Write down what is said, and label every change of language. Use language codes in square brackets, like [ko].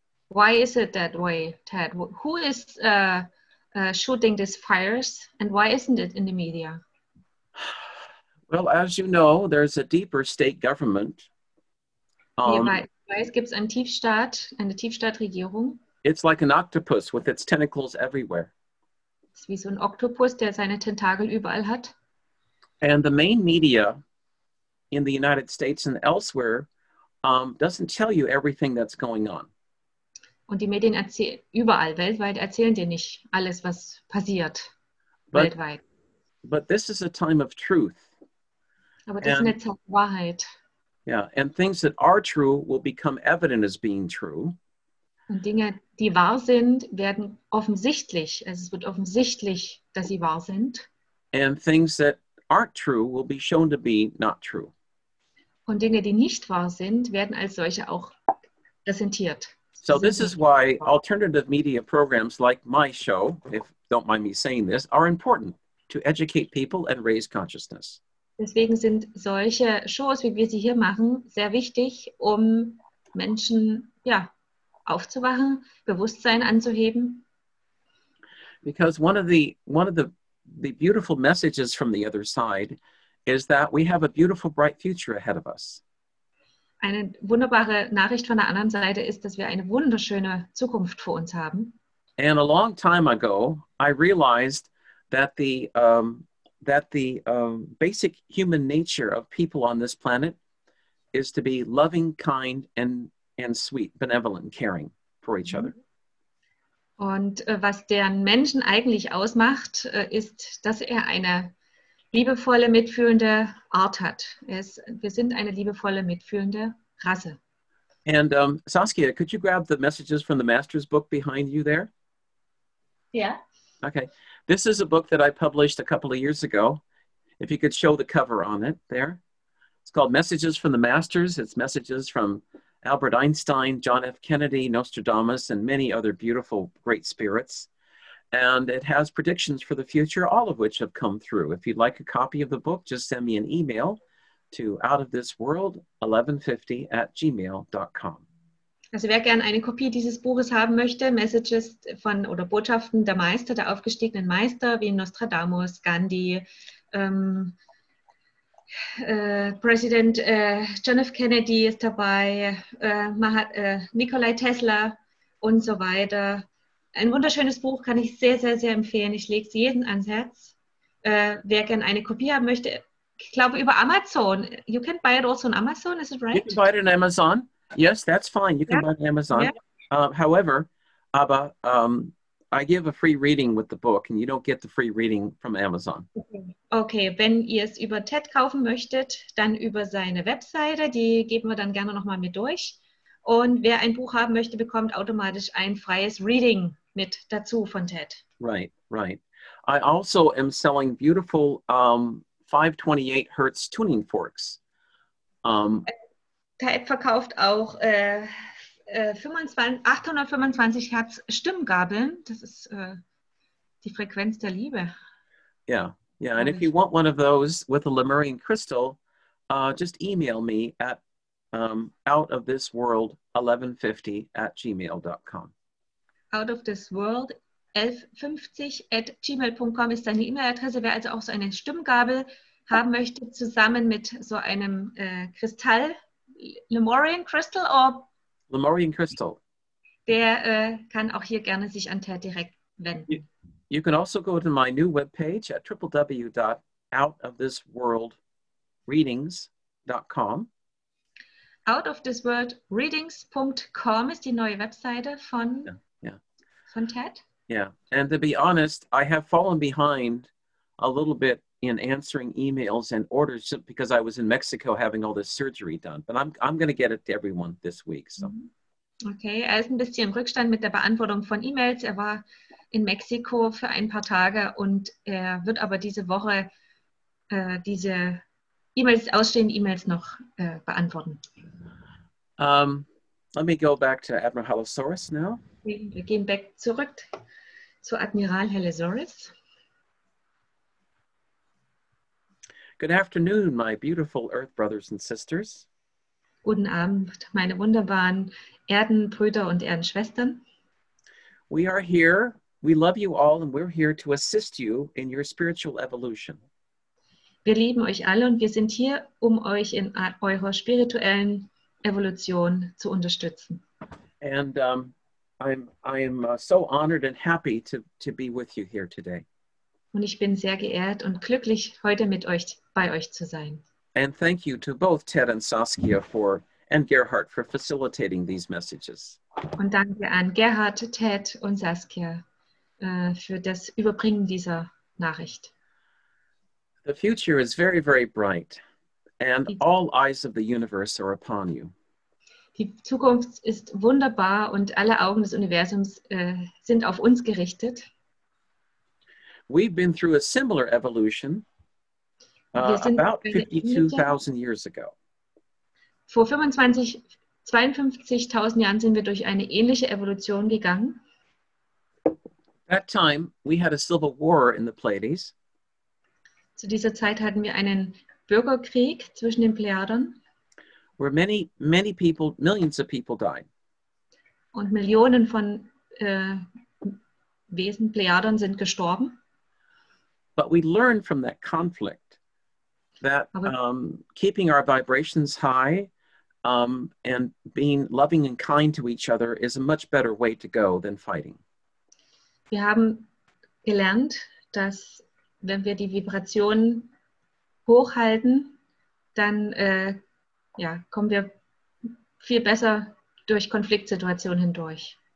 [en] Why is it that way, Ted? Who is shooting these fires and why isn't it in the media? Well, as you know, there's a deeper state government. [de] Es gibt einen Tiefstaat, eine Tiefstaatregierung. [en] It's like an octopus with its tentacles everywhere. [de] Es ist wie so ein Oktopus, der seine Tentakel überall hat. [en] And the main media in the United States and elsewhere doesn't tell you everything that's going on. [de] Und die Medien überall weltweit erzählen dir nicht alles, was passiert weltweit. [en] But this is a time of truth. [de] Aber das ist eine Zeit der Wahrheit. [en] Yeah, and things that are true will become evident as being true. [de] Und Dinge, die wahr sind, werden offensichtlich. Also es wird offensichtlich, dass sie wahr sind. [en] And things that aren't true will be shown to be not true. [de] Und Dinge, die nicht wahr sind, werden als solche auch präsentiert. [en] So this is why alternative media programs like my show, if don't mind me saying this, are important to educate people and raise consciousness. [de] Deswegen sind solche Shows, wie wir sie hier machen, sehr wichtig, um Menschen ja, aufzuwachen, Bewusstsein anzuheben. [en] Because one of the beautiful messages from the other side is that we have a beautiful bright future ahead of us. [de] Eine wunderbare Nachricht von der anderen Seite ist, dass wir eine wunderschöne Zukunft vor uns haben. [en] And a long time ago, I realized that the basic human nature of people on this planet is to be loving, kind, and sweet, benevolent, caring for each other. [de] Und was deren Menschen eigentlich ausmacht, ist, dass er eine liebevolle, mitfühlende Art hat. Wir sind eine liebevolle, mitfühlende Rasse. [en] And Saskia, could you grab the messages from the Master's book behind you there? Yeah. Okay. This is a book that I published a couple of years ago. If you could show the cover on it there. It's called Messages from the Masters. It's messages from Albert Einstein, John F. Kennedy, Nostradamus, and many other beautiful, great spirits. And it has predictions for the future, all of which have come through. If you'd like a copy of the book, just send me an email to outofthisworld1150@gmail.com. [de] Also wer gerne eine Kopie dieses Buches haben möchte, Messages von oder Botschaften der Meister, der aufgestiegenen Meister wie Nostradamus, Gandhi, Präsident John F. Kennedy ist dabei, Nikola Tesla und so weiter. Ein wunderschönes Buch, kann ich sehr, sehr, sehr empfehlen. Ich lege es jedem ans Herz. Wer gerne eine Kopie haben möchte, ich glaube über Amazon. [en] You can buy it also on Amazon, is it right? You can buy it on Amazon. Yes, that's fine. You can buy Amazon. Yeah. However, Abba, I give a free reading with the book and you don't get the free reading from Amazon. [de] Okay, wenn ihr es über Ted kaufen möchtet, dann über seine Webseite. Die geben wir dann gerne nochmal mit durch. Und wer ein Buch haben möchte, bekommt automatisch ein freies Reading mit dazu von Ted. [en] Right, right. I also am selling beautiful 528 Hertz tuning forks. [de] Ted verkauft auch 825 Hertz Stimmgabeln. Das ist die Frequenz der Liebe. [en] Yeah. And if you want one of those with a Lemurian crystal, just email me at outofthisworld1150@gmail.com. [de] Outofthisworld1150@gmail.com ist deine E-Mail-Adresse. Wer also auch so eine Stimmgabel haben möchte, zusammen mit so einem Kristall, [en] Lemurian Crystal or Lemurian Crystal. [de] Der kann auch hier gerne sich an Ted direkt wenden. [en] You can also go to my new webpage at www.outofthisworldreadings.com. [de] Outofthisworldreadings.com ist die neue Webseite von, von Ted. [en] Yeah, and to be honest, I have fallen behind a little bit in answering emails and orders because I was in Mexico having all this surgery done. But I'm going to get it to everyone this week. So. [de] Okay, er ist ein bisschen im Rückstand mit der Beantwortung von E-Mails. Er war in Mexiko für ein paar Tage und er wird aber diese Woche diese E-Mails, ausstehende E-Mails noch beantworten. [en] Let me go back to Admiral Halosaurus now. [de] Wir gehen back zurück zu Admiral Halosaurus. [en] Good afternoon, my beautiful Earth brothers and sisters. [de] Guten Abend, meine wunderbaren Erdenbrüder und Erdenschwestern. [en] We are here. We love you all, and we're here to assist you in your spiritual evolution. [de] Wir lieben euch alle, und wir sind hier, um euch in eurer spirituellen Evolution zu unterstützen. [en] And I'm so honored and happy to be with you here today. [de] Und ich bin sehr geehrt und glücklich, heute mit euch bei euch zu sein. [en] And thank you to both Ted and Saskia for and Gerhard for facilitating these messages. [de] Und danke an Gerhard, Ted und Saskia für das Überbringen dieser Nachricht. [en] The future is very, very bright, and all eyes of the universe are upon you. [de] Die Zukunft ist wunderbar und alle Augen des Universums sind auf uns gerichtet. [en] We've been through a similar evolution about 52,000 years ago. [de] Vor 52,000 Jahren sind wir durch eine ähnliche Evolution gegangen. [en] That time we had a civil war in the Pleiades. [de] Zu dieser Zeit hatten wir einen Bürgerkrieg zwischen den Plejaden. [en] Where many, many people, millions of people died. [de] Und Millionen von Wesen, Plejaden, sind gestorben. [en] But we learned from that conflict that keeping our vibrations high and being loving and kind to each other is a much better way to go than fighting. [de] Wir haben gelernt, dass wenn wir die Vibrationen hochhalten, dann kommen wir viel besser durch Konfliktsituationen hindurch.